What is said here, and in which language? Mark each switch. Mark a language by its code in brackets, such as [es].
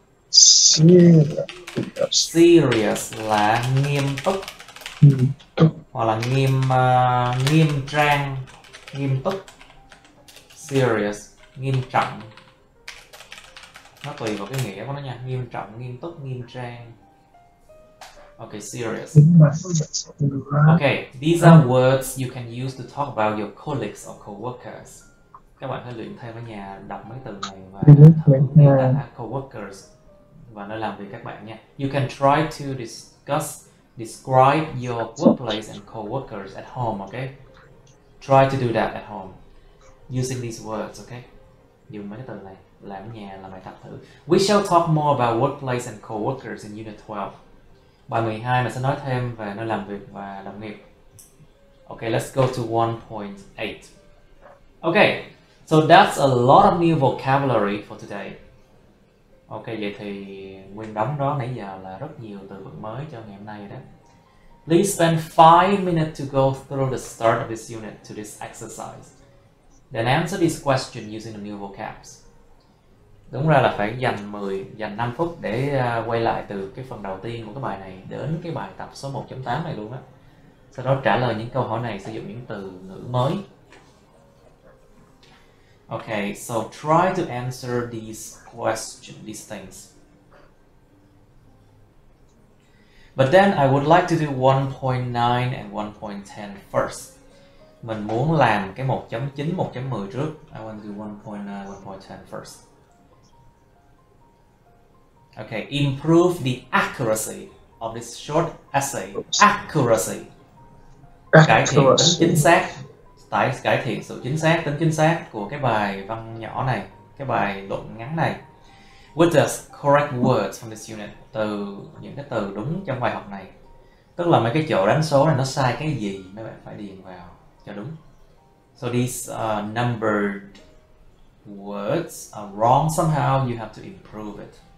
[vi] Serious là nghiêm túc. Hoặc là nghiêm trang, nghiêm túc. Serious, nghiêm trọng. Nó tùy vào cái nghĩa của nó nha, nghiêm trọng, nghiêm túc, nghiêm trang. [en] Ok, serious. Ok, these are words you can use to talk about your colleagues or co-workers. [vi] Các bạn hãy luyện thêm ở nhà, đọc mấy từ này và co-workers và nơi làm việc các bạn nha. [en] You can try to describe your workplace and co-workers at home, ok? Try to do that at home using these words, ok? [vi] Dùng mấy cái từ này, làm ở nhà, làm bài tập thử. [en] We shall talk more about workplace and co-workers in Unit 12. [vi] Bài 12 mình sẽ nói thêm về nơi làm việc và đồng nghiệp. [en] Ok, let's go to 1.8. Ok, so that's a lot of new vocabulary for today. [vi] Ok, vậy thì nguyên đống đó nãy giờ là rất nhiều từ vựng mới cho ngày hôm nay rồi đó. [en] Please spend 5 minutes to go through the start of this unit to this exercise. Then answer this question using the new vocabs. [vi] Đúng ra là phải dành 5 phút để quay lại từ cái phần đầu tiên của cái bài này đến cái bài tập số 1.8 này luôn á. Sau đó trả lời những câu hỏi này sử dụng những từ ngữ mới. [en] Okay, so try to answer these questions, these things. But then I would like to do 1.9 and 1.10 first. [vi] Mình muốn làm cái 1.9, 1.10 trước. [en] I want to do 1.9, 1.10 first. Okay, improve the accuracy of this short essay. Accuracy. [vi] Cải thiện tính chính xác. Cải thiện sự chính xác, tính chính xác của cái bài văn nhỏ này, cái bài luận ngắn này. [en] With the correct words from this unit. [vi] Từ những cái từ đúng trong bài học này. Tức là mấy cái chỗ đánh số này nó sai cái gì, mấy bạn phải điền vào cho đúng. [en] So these numbered words are wrong somehow, you have to improve it.